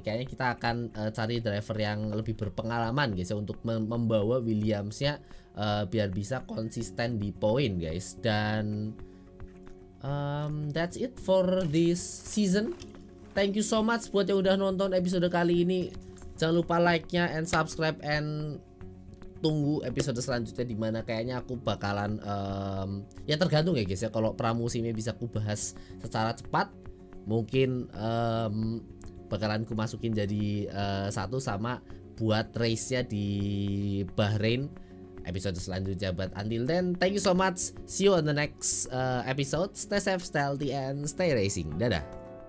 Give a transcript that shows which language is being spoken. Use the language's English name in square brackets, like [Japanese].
[Indonesian] Kayaknya kita akan cari driver yang lebih berpengalaman, guys, ya, untuk membawa Williams-nya biar bisa konsisten di poin, guys. Dan [English] that's it for this season. Thank you so much [Indonesian] buat yang udah nonton episode kali ini. Jangan lupa like-nya [English] and subscribe, and [Indonesian] tunggu episode selanjutnya di mana kayaknya aku bakalan ya, tergantung ya, guys, ya. Kalau pramusimnya bisa aku bahas secara cepat, mungkin bakalan ku masukin jadi satu sama buat race-nya di Bahrain episode selanjutnya. [English] But until then, thank you so much. See you on the next episode. Stay safe, stay healthy, and stay racing. Dadah.